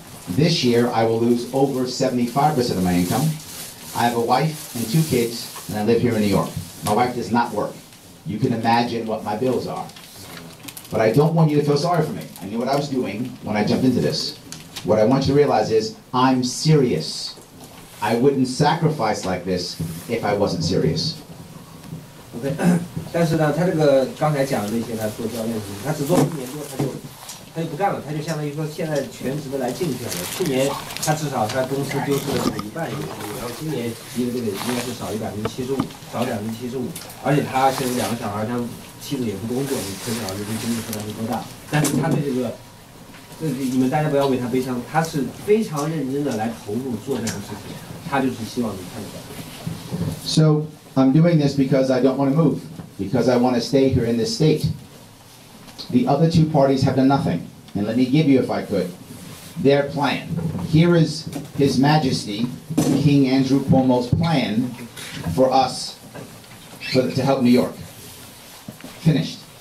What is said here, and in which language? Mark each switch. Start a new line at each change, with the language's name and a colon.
English: This year, I will lose over 75% of my income. I have a wife and two kids, and I live here in New York. My wife does not work. You can imagine what my bills are. But I don't want you to feel sorry for me. I knew what I was doing when I jumped into this. What I want you to realize is I'm serious. I wouldn't sacrifice like this if I wasn't serious.
Chinese: Okay, 但是呢，他这个刚才讲的那些，他做教练的事情，他只做一年多，他就不干了，他就相当于说现在全职的来竞选了。去年他至少在公司丢失了一半人，然后今年积的这个应该是少于75%，少75%。而且他现在有两个小孩，他妻子也不工作，你可想而知这经济负担是多大。但是他对这个。你们大家不要为他悲伤，他是非常认真的来投入做这样的事情，他就是希望你看到。
English: So I'm doing this because I don't want to move, because I want to stay here in this state. The other two parties have done nothing, and let me give you, if I could, their plan. Here is His Majesty King Andrew Cuomo's plan for us, to help New York. Finished.